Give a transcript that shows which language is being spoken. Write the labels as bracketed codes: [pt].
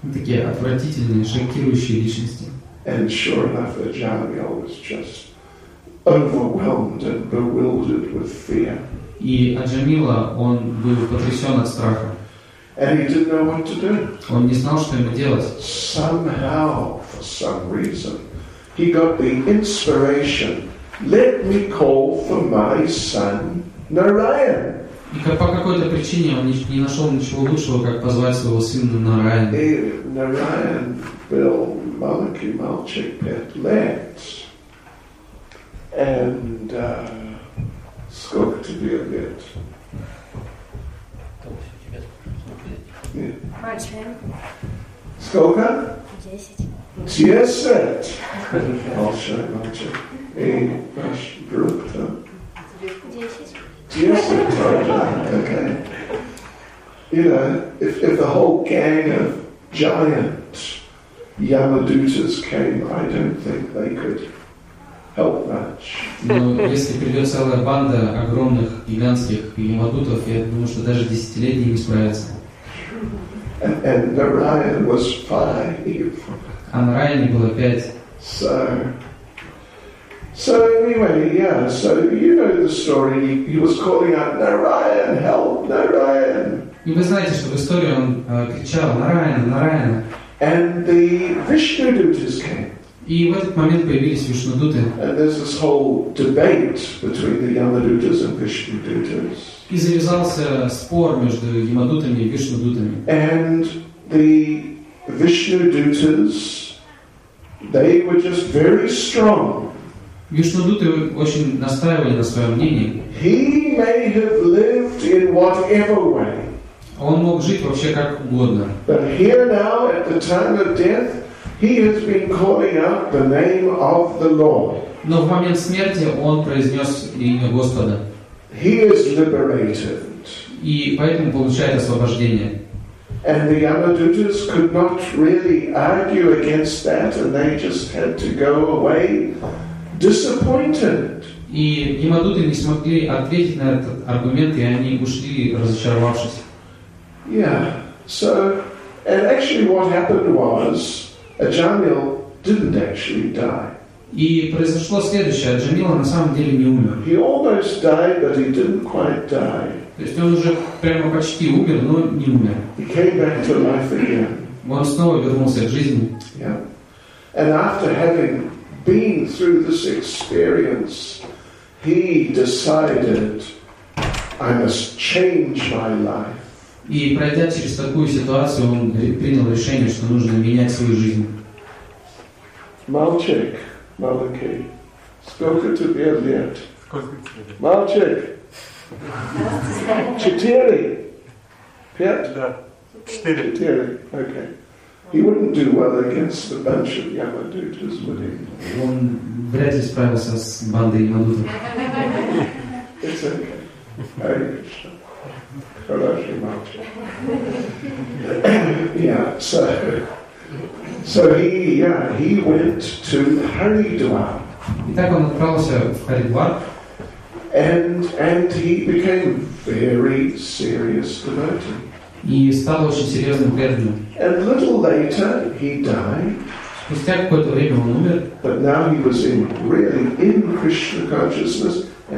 [ru] Такие отвратительные, шокирующие личности. [en] And sure enough, Ajamil was just overwhelmed and bewildered with fear. [ru] И Аджамила, он был потрясен от страха. [en] And he didn't know what to do. [ru] Он не знал, что ему делать. [en] Somehow, for some reason, he got the inspiration. Let me call for my son Narayan. [ru] И по какой-то причине он не нашел ничего лучшего, как позвать своего сына Нараяна. Нараян был маленький мальчик 5 лет. And сколько тебе лет? 10. Сколько? 10. Большой мальчик. И ваш друг там? 10. [en] Yes, okay. You know, if the whole gang of giant Yamadutas came, I don't think they could help much. [ru] Но если придет целая банда огромных гигантских Yamadutas, я думаю, что даже десятилетний не справится. [en] And Narayan was 5. [ru] А Нараяне было 5. [en] So anyway, yeah, so you know the story, he was calling out, Narayan, help, Narayan. [ru] И вы знаете, что в истории он кричал, Нараяна, Нараяна. [en] And the Vishnudutas came. [ru] И в этот момент появились Вишнудуты. [en] And there's this whole debate between the Yamadutas and Vishnudutas. [ru] И завязался спор между Yamadutami и Вишнудутами. [en] And the Vishnudutas, they were just very strong. [ru] Вишнудуты очень настаивали на своем мнении. [en] He may have lived in whatever way. [ru] Он мог жить вообще как угодно. [en] But here now, at the time of death, He has been calling out the name of the Lord. [ru] Но в момент смерти он произнес имя Господа. [en] He is liberated. [ru] И поэтому получает освобождение. [en] And the Yamadutas could not really argue against that, and they just had to go away disappointed. [ru] И Ямадуты не смогли ответить на этот аргумент, и они ушли разочаровавшись. [en] Yeah. So, and actually, what happened was, Аджамил didn't actually die. [ru] И произошло следующее: Аджамила на самом деле не умер. [en] He almost died, but he didn't quite die. [ru] То есть он уже прямо почти умер, но не умер. [en] He came back to life again. [ru] Он снова вернулся к жизни. [en] Yeah. And after having been through this experience, he decided, I must change my life. [ru] И пройдя через такую ситуацию, он принял решение, что нужно менять свою жизнь. Мальчик, Малыки, сколько тебе лет? Мальчик! Четыре? Пять? Да. Четыре. Четыре, окей. [en] He wouldn't do well against a bunch of Yamadutas, would he? [ru] Он вряд ли справился с бандой Yamadutas. [en] It's okay. So he went to Haridwar. [ru] Итак, он отправился в Харидвар. [en] And he became very serious devotee. [ru] И стал очень серьезным преданным. [en] And a little later he died. [ru] Спустя какое-то время он умер. [en] But now he was really in Krishna consciousness.